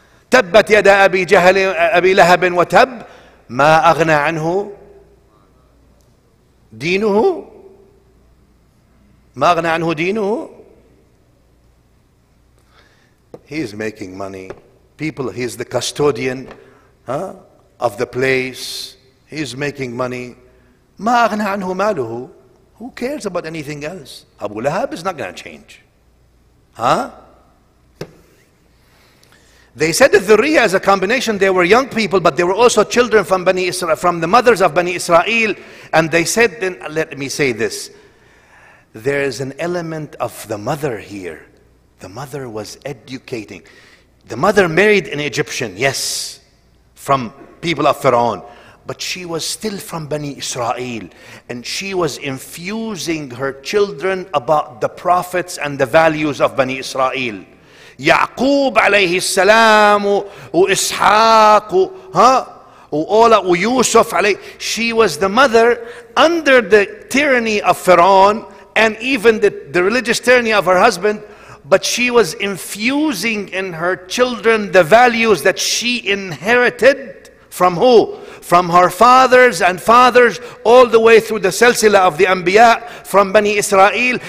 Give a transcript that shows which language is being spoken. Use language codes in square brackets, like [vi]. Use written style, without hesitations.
[ar] تبت يدا أبي جهل أبي لهب وتب ما أغنى عنه دينه ما أغنى عنه دينه. [en] He is making money. People, he is the custodian of the place. He is making money. [ar] ما أغنى عنه ماله. [en] Who cares about anything else? Abu Lahab is not going to change. They said that Dhurriya as a combination, they were young people, but they were also children from Bani Israel, from the mothers of Bani Israel. And they said, then let me say this. There is an element of the mother here. The mother was educating. The mother married an Egyptian, yes, from people of Pharaoh. But she was still from Bani Israel. And she was infusing her children about the prophets and the values of Bani Israel. [ar] يعقوب عليه السلام وإسحاق ويوسف عليه. [en] She was the mother under the tyranny of Pharaoh and even the religious tyranny of her husband, but she was infusing in her children the values that she inherited from who? From her fathers and fathers, all the way through the Silsila of the Anbiya from Bani Israel.